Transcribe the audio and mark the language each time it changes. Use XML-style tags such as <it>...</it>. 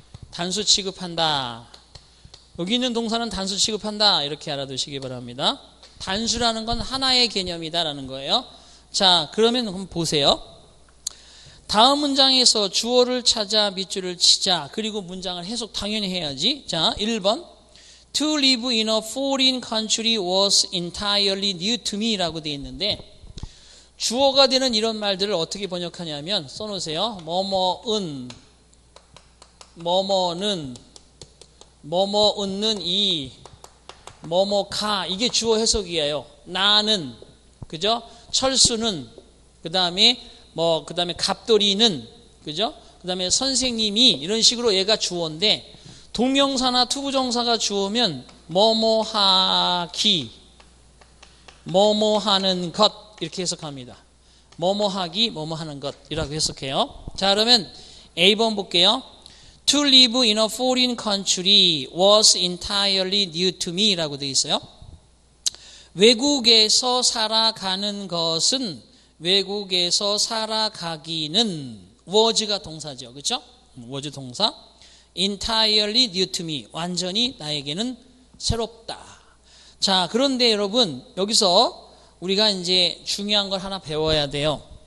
<ko>단수 취급한다. 여기 있는 동사는 단수 취급한다. 이렇게 알아두시기 바랍니다. 단수라는 건 하나의 개념이다라는 거예요. 자, 그러면 한번 보세요. 다음 문장에서 주어를 찾아 밑줄을 치자. 그리고 문장을 해석 당연히 해야지. 자, 1번.</ko> <en>To live in a foreign country was entirely new to me</en> <ko>라고 되어 있는데 주어가 되는 이런 말들을 어떻게 번역하냐면 써놓으세요. 뭐뭐은, 뭐뭐는, 뭐뭐은는 이, 뭐뭐가 이게 주어 해석이에요. 나는, 그죠? 철수는, 그 다음에 뭐 그 다음에 갑돌이는, 그죠? 그 다음에 선생님이 이런 식으로 얘가 주어인데 동명사나 투부정사가 주어면 뭐뭐하기, 뭐뭐하는 것 이렇게 해석합니다. 뭐뭐하기, 뭐뭐하는 것이라고 해석해요. 자, 그러면 A번 볼게요.</ko> <en>To live in a foreign country was entirely new to me</en> <ko>라고 되어 있어요. 외국에서 살아가는 것은 외국에서 살아가기는 was가 동사죠. 그렇죠? was 동사.</ko> <en>Entirely new to me.</en> <ko>완전히 나에게는 새롭다. 자, 그런데 여러분 여기서 우리가 이제 중요한 걸 하나 배워야 돼요.</ko>